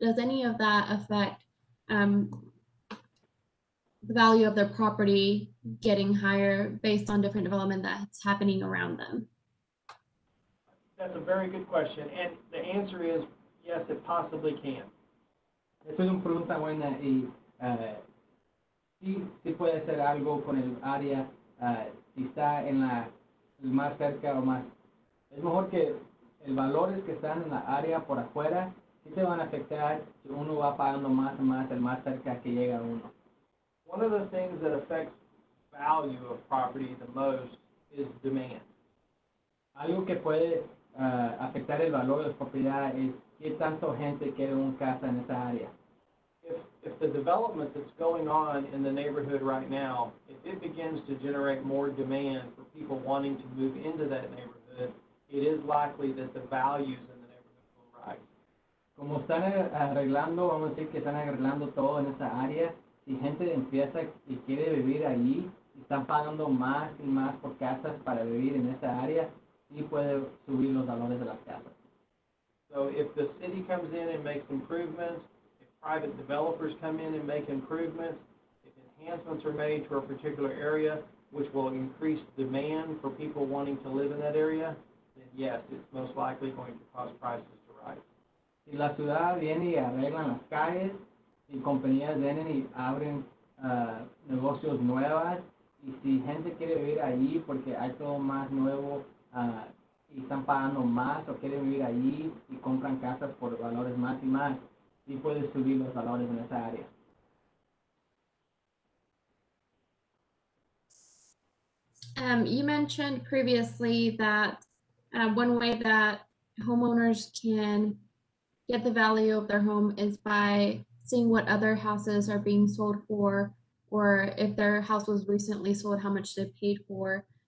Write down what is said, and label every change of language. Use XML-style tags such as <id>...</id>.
<en>Does any of that affect the value of their property getting higher based on different development that's happening around them? That's a very good question. And the answer is yes, it possibly can.</en> <es>Esa es una pregunta buena y sí, sí puede ser algo con el área si está en la más cerca o más. Es mejor que el valores que están en la área por afuera sí se van a afectar si uno va pagando más y más el más cerca que llega uno.</es> <en>One of the things that affects value of property the most is demand.</en> <es>Algo que puede afectar el valor de la propiedad es qué tanto gente quiere una casa en esa área.</es> <en>If the development that's going on in the neighborhood right now, if it begins to generate more demand for people wanting to move into that neighborhood, it is likely that the values in the neighborhood will rise.</en> <es>Como están arreglando, vamos a decir que están arreglando todo en esa área, si gente empieza y quiere vivir allí, están pagando más y más por casas para vivir en esa área, y puede subir los valores de las casas.</es> <en>So if the city comes in and makes improvements, private developers come in and make improvements, if enhancements are made to a particular area, which will increase demand for people wanting to live in that area, then yes, it's most likely going to cause prices to rise.</en> <es>Si la ciudad viene y arreglan las calles, si compañías vienen y abren negocios nuevas, y si gente quiere vivir allí porque hay todo más nuevo y están pagando más o quieren vivir allí y compran casas por valores más y más, y puede subir los valores en esa área.</es> <en>You mentioned previously that one way that homeowners can get the value of their home is by seeing what other houses are being sold for, or if their house was recently sold, how much they paid for.</en>